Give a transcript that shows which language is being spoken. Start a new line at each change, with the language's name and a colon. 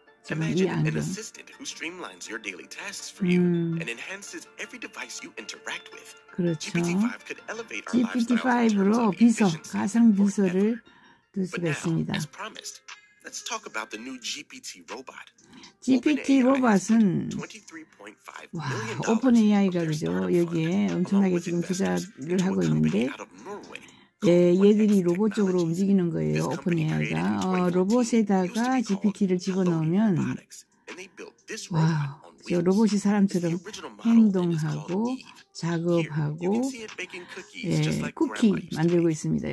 English: Imagine an assistant who streamlines your daily tasks for you and enhances every device you interact with.
Korean: 그렇죠.
English: GPT-5 could elevate our
Korean: GPT-5로 비서, 가상 비서를 둘 수가 있습니다.
English: As promised, let's talk about the new GPT robot.
Korean: GPT 로봇은 와, OpenAI가 그죠? 여기에 엄청나게 지금 투자를 하고 있는데 예, 얘들이 로봇 쪽으로 움직이는 거예요. 오픈 AI가 로봇에다가 GPT를 집어넣으면 와, 로봇이 사람처럼 행동하고 작업하고 예, 쿠키 만들고 있습니다.